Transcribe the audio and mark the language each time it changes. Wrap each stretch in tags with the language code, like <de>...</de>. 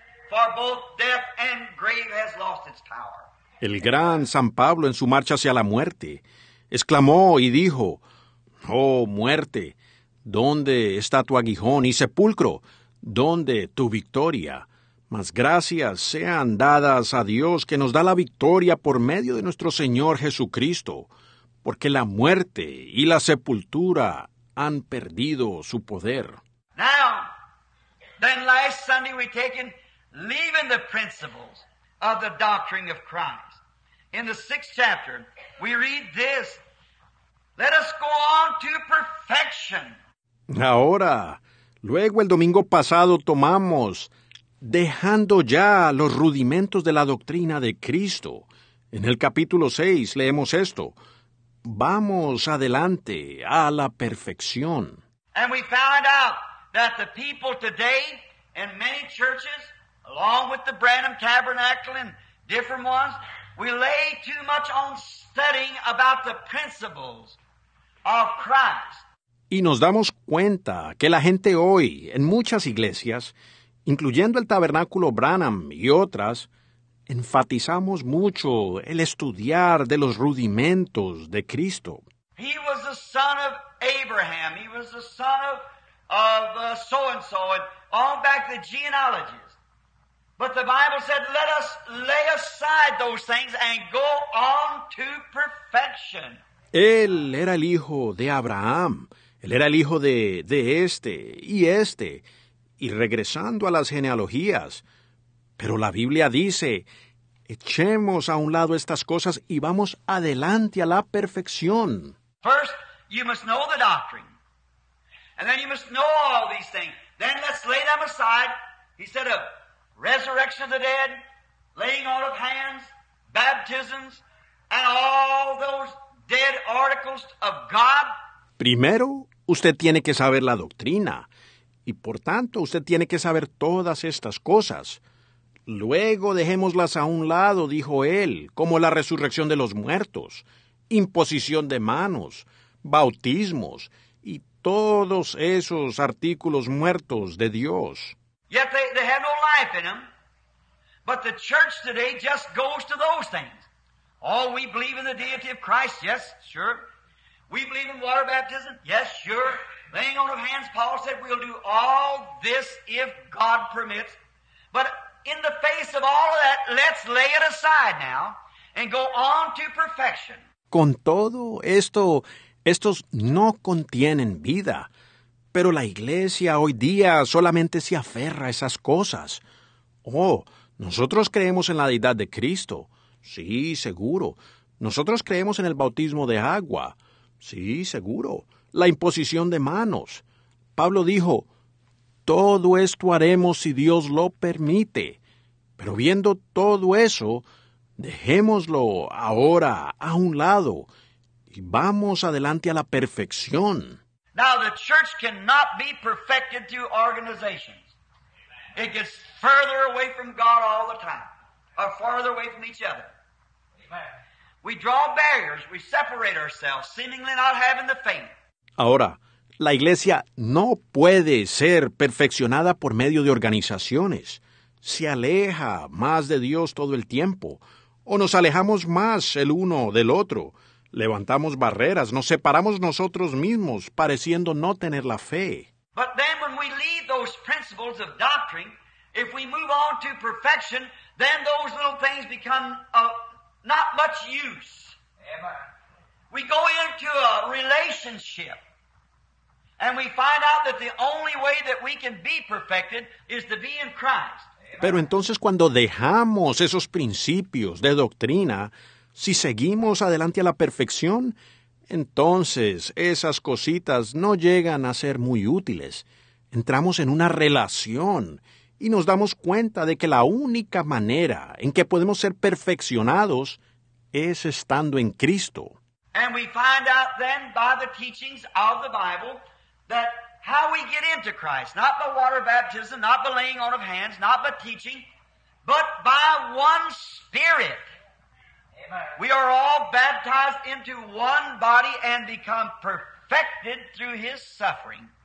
<en>For both death and grave has lost its power."</en> <es>El gran San Pablo en su marcha hacia la muerte exclamó y dijo, "Oh, muerte, ¿dónde está tu aguijón? Y sepulcro, ¿dónde tu victoria? Mas gracias sean dadas a Dios que nos da la victoria por medio de nuestro Señor Jesucristo, porque la muerte y la sepultura han perdido su poder."</es> <en>Now, then last Sunday we taken leaving the principles of the doctrine of Christ. In the sixth chapter, we read this. Let us go on to perfection.</en> <es>Ahora, luego el domingo pasado tomamos, dejando ya los rudimentos de la doctrina de Cristo. En el capítulo 6 leemos esto. Vamos adelante a la perfección.</es> <en>And we found out that the people today in many churches, along with the Branham Tabernacle and different ones, we lay too much on studying about the principles of Christ.</en> <es>Y nos damos cuenta que la gente hoy, en muchas iglesias, incluyendo el Tabernáculo Branham y otras, enfatizamos mucho el estudiar de los rudimentos de Cristo.</es> <en>He was the son of Abraham. He was the son of so-and-so and all back the genealogies. But the Bible said, let us lay aside those things and go on to perfection.</en> <es>Él era el hijo de Abraham. Él era el hijo de este y este. Y regresando a las genealogías, pero la Biblia dice, echemos a un lado estas cosas y vamos adelante a la perfección.</es> <en>First, you must know the doctrine. And then you must know all these things. Then let's lay them aside. He said, resurrection of the dead, laying on of hands, baptisms, and all those dead articles of God.</en> <es>Primero, usted tiene que saber la doctrina. Y por tanto, usted tiene que saber todas estas cosas. Luego dejémoslas a un lado, dijo él, como la resurrección de los muertos, imposición de manos, bautismos y todos esos artículos muertos de Dios.</es> <en>Yet they have no life in them, but the church today just goes to those things. Oh, we believe in the deity of Christ, yes, sure. We believe in water baptism, yes, sure. Laying on of hands, Paul said, we'll do all this if God permits. But in the face of all of that, let's lay it aside now and go on to perfection.</en> <es>Con todo esto, estos no contienen vida. Pero la iglesia hoy día solamente se aferra a esas cosas. Oh, nosotros creemos en la deidad de Cristo. Sí, seguro. Nosotros creemos en el bautismo de agua. Sí, seguro. La imposición de manos. Pablo dijo, todo esto haremos si Dios lo permite. Pero viendo todo eso, dejémoslo ahora a un lado y vamos adelante a la perfección.</es> <en>Now the church cannot be perfected through organizations. It gets further away from God all the time, or farther away from each other. Amen. We draw barriers, we separate ourselves, seemingly not having the faith.</en> <es>Ahora, la iglesia no puede ser perfeccionada por medio de organizaciones. Se aleja más de Dios todo el tiempo. O nos alejamos más el uno del otro. Levantamos barreras. Nos separamos nosotros mismos, pareciendo no tener la fe.</es> <en>But then when we leave those principles of doctrine, if we move on to perfection, then those little things become not much use. Amen. We go into a relationship. And we find out that the only way that we can be perfected is to be in Christ.</en> <es>Pero entonces cuando dejamos esos principios de doctrina, si seguimos adelante a la perfección, entonces esas cositas no llegan a ser muy útiles. Entramos en una relación y nos damos cuenta de que la única manera en que podemos ser perfeccionados es estando en Cristo.</es> <en>And we find out then by the teachings of the Bible that how we get into Christ, not by water baptism, not by laying on of hands, not by teaching, but by one Spirit. Amen. We are all baptized into one body and become perfected through His suffering.</en>